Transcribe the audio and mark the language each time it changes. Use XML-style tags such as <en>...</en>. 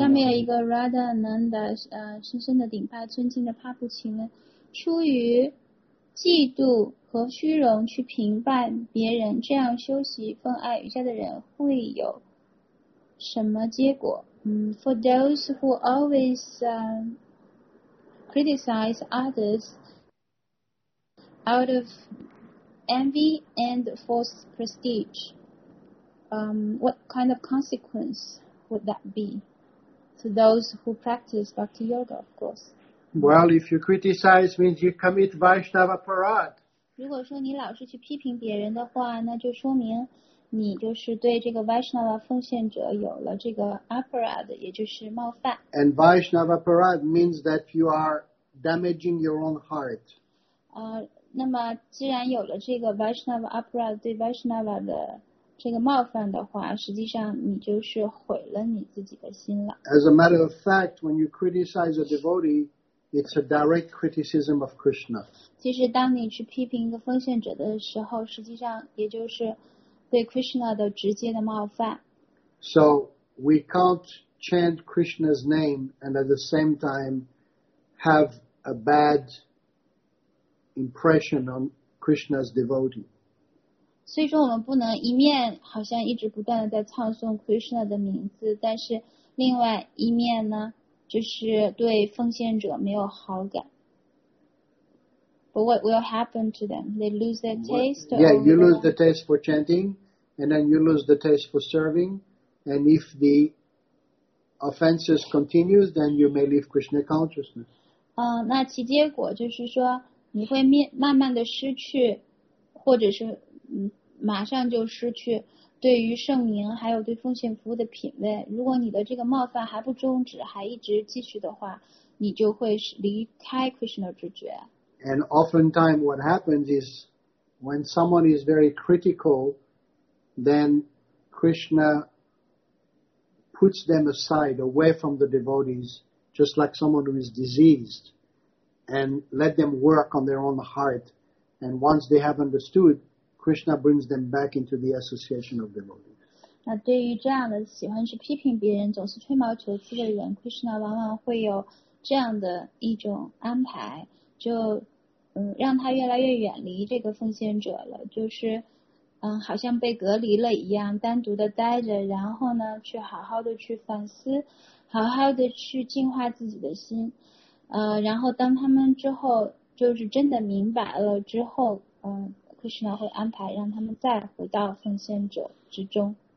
<zh>下面有一个 Radha Nanda, 深深的顶拜，尊敬的帕布，请问，出于嫉妒和虚荣去评判别人，这样修习奉爱瑜伽的人会有什么结果？</zh> <en>For those who always criticize others out of envy and false prestige. What kind of consequence would that be to those who practice Bhakti Yoga, of course? Well, if you criticize, means you commit Vaishnava Parad.</en> <zh>如果说你老是去批评别人的话，那就说明你就是对这个 Vaishnava 奉献者有了这个 aparad， 也就是冒犯。</zh> <en>And Vaishnava aparad means that you are damaging your own heart。</en> <zh>那么既然有了这个 Vaishnava aparad 对 Vaishnava 的这个冒犯的话，实际上你就是毁了你自己的心了。</zh> <en>As a matter of fact, when you criticize a devotee, it's a direct criticism of Krishna.</en> <zh>其实当你去批评一个奉献者的时候，实际上也就是对 Krishna 的直接的冒犯。</zh> <en>So we can't chant Krishna's name and at the same time have a bad impression on Krishna's devotee.</en> <zh>所以说我们不能一面好像一直不断的在唱诵 Krishna 的名字，但是另外一面呢就是对奉献者没有好感。</zh> <en>But what will happen to them? They lose their taste? Yeah, you lose the taste for chanting, and then you lose the taste for serving, and if the offenses continue, then you may leave Krishna consciousness.</en> <zh>那其结果就是说你会慢慢的失去或者是马上就失去对于圣名还有对奉献服务的品位。如果你的这个冒犯还不终止，还一直继续的话，你就会离开 Krishna 之觉。</zh> <en>And oftentimes what happens is when someone is very critical, then Krishna puts them aside, away from the devotees, just like someone who is diseased, and let them work on their own heart. And once they have understood,Krishna brings them back into the association of devotees.</en> <zh>那对于这样的喜欢去批评别人、总是吹毛求疵的人 ，Krishna 往往会有这样的一种安排，就让他越来越远离这个奉献者了，就是好像被隔离了一样，单独的待着，然后呢，去好好的去反思，好好的去净化自己的心，然后当他们之后就是真的明白了之后，Krishna 会安排让他们再回到奉献者之中。</zh>